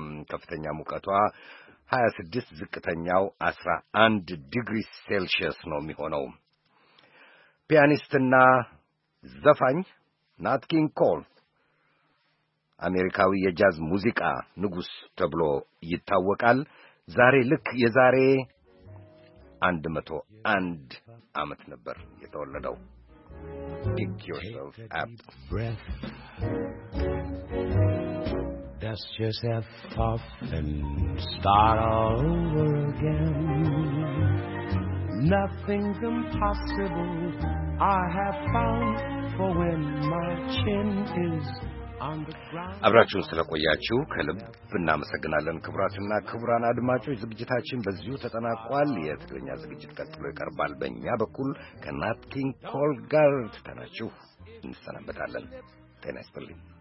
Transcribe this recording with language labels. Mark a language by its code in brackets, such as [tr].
[am] ከፍተኛ ሙቀቷ 26፣ ዝቅተኛው 11 ዲግሪ ሴልሺየስ ነው የሚሆነው። ፒያኒስትና ዘፋኝ ናት ኪንግ ኮል አሜሪካዊ የጃዝ ሙዚቃ ንጉሥ ተብሎ ይታወቃል። ዛሬ ልክ የዛሬ 101 ዓመት ነበር የተወለደው። [en] Pick yourself up. Breath. Dust yourself off and start all over again. Nothing's impossible. I have found for when my chin is. [am] አብራችሁን ስለቆያችሁ ከልብ እናመሰግናለን። ክቡራትና ክቡራን አድማጮች ዝግጅታችን በዚሁ ተጠናቋል። የትግርኛ ዝግጅት ቀጥሎ ይቀርባል። በእኛ በኩል ከናት ኪንግ ኮል ጋር ትተናችሁ እንሰናበታለን። ጤና ይስጥልኝ።